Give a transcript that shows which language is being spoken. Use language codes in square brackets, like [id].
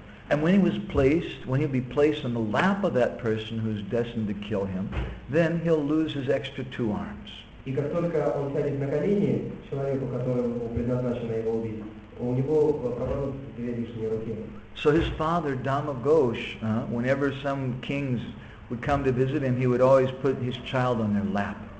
[en] And when he'll be placed on the lap of that person who's destined to kill him, then he'll lose his extra two arms. [ru] И как только он сядет на колени человеку, которому предназначено его убить, у него пропадут две лишние руки. [en] So his father, Dhammaghosh, whenever some kings would come to visit him, he would always put his child on their lap.